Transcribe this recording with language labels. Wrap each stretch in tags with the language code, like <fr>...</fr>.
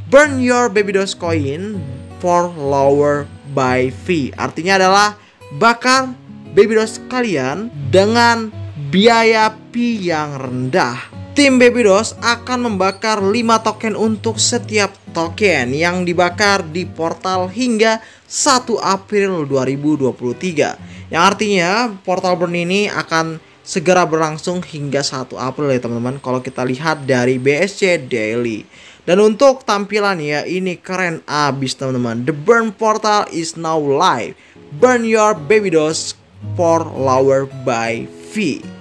<en>Burn your Baby Dogecoin for lower buy fee.</en> <id>Artinya adalah bakar Baby Doge kalian dengan biaya fee yang rendah. Tim Babydos akan membakar 5 token untuk setiap token yang dibakar di portal hingga 1 April 2023. Yang artinya portal burn ini akan segera berlangsung hingga 1 April ya teman-teman, kalau kita lihat dari BSC Daily. Dan untuk tampilannya ini keren abis teman-teman.</id> <en>The burn portal is now live. Burn your Babydos for lower buy fee.</en>